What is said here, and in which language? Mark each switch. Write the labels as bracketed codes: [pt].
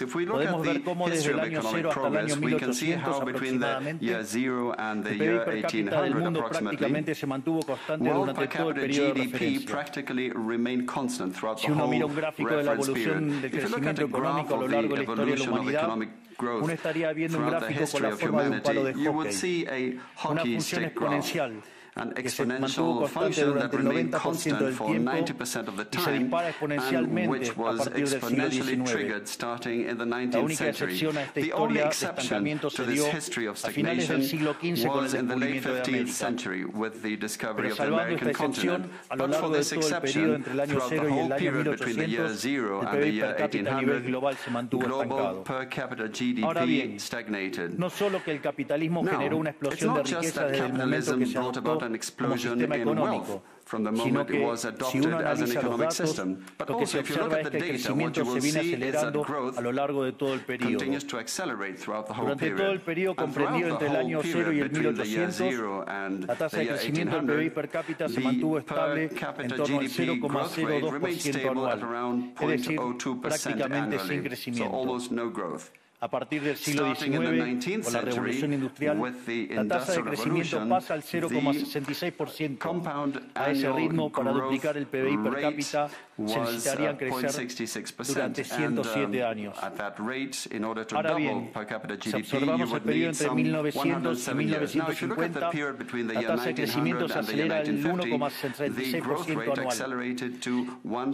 [en] If we look at the history of economic progress, we can see how between the year zero and the year 1800 approximately, world per capita GDP practically remained constant throughout the whole reference period. If you look at a graph of the evolution of economic growth. [es] Uno estaría viendo un gráfico con la forma de un palo de hockey, una función exponencial. [en] An exponential function that remained constant for 90% of the time and which was exponentially triggered starting in the 19th century. The only exception to this history of stagnation was in the late 15th century with the discovery of the American continent. But for this exception, throughout the whole period between the year zero and the year 1800, global per capita GDP stagnated. Now, it's not just that capitalism brought about an explosion in wealth from the moment it was adopted as an economic system. But also, if you look at the data, what you will see is that growth continues to accelerate throughout the whole period. And throughout the whole period, between the year zero and the year 1800, the per capita GDP growth rate remained stable at around 0.02% annually, so almost no growth. [es] A partir del siglo XIX, con la revolución industrial, la tasa de crecimiento pasa al 0,66%. A ese ritmo, para duplicar el PBI per cápita, se necesitarían crecer durante 107 años. Ahora bien, si observamos el periodo entre 1900 y 1950, la tasa de crecimiento se acelera al 1,66% anual.